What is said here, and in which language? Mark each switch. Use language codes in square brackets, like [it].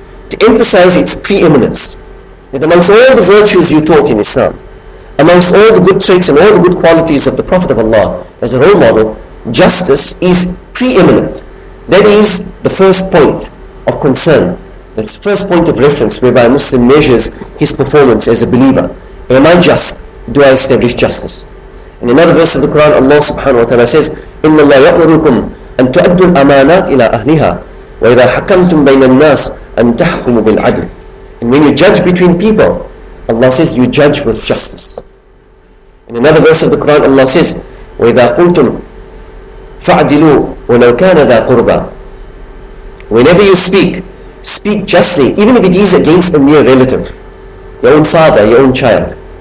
[en] To emphasize its preeminence. That amongst all the virtues you taught in Islam, amongst all the good traits and all the good qualities of the Prophet of Allah as a role model, justice is preeminent. That is the first point of concern. That's the first point of reference whereby a Muslim measures his performance as a believer. Am I just? Do I establish justice? In another verse of the Quran, Allah subhanahu wa ta'ala says, [ar] إِنَّ اللَّهَ يَأْمُرُكُمْ أَن تُؤَدُّوا الْأَمَانَاتِ إِلَىٰ أَهْلِهَا وَإِذَا حَكَمْتُمْ بَيْنَ النَّاسِ أَن تَحْكُمُوا بِالْعَدْلِ. [en] And when you judge between people, Allah says, you judge with justice. In another verse of the Quran, Allah says, [ar] وَإِذَا قُلْتُمْ فَعْدِلُوا وَلَوْ كَانَ ذَا قُرْبًا. [en] Whenever you speak, speak justly, even if it is against a mere relative, your own father, your own child.